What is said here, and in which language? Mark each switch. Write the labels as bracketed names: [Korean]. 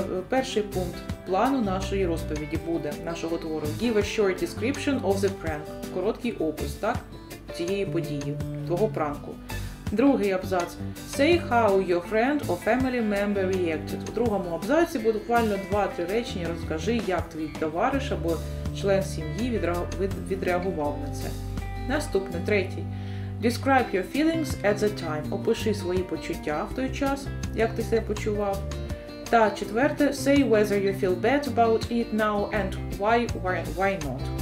[Ukrainian] Перший пункт плану нашої розповіді буде, нашого твору. [English] Give a short description of the prank. [Ukrainian] Короткий опис, так, цієї події, твого пранку. Другий абзац. [English] Say how your friend or family member reacted. [Ukrainian] У другому абзаці буде буквально 2-3 речення. Розкажи, як твій товариш або член сім'ї відреагував на це. Наступне, третій. [English] Describe your feelings at the time. [Ukrainian] Опиши свої почуття в той час, як ти себе почував. Та четверте, [English] say whether you feel bad about it now and why not.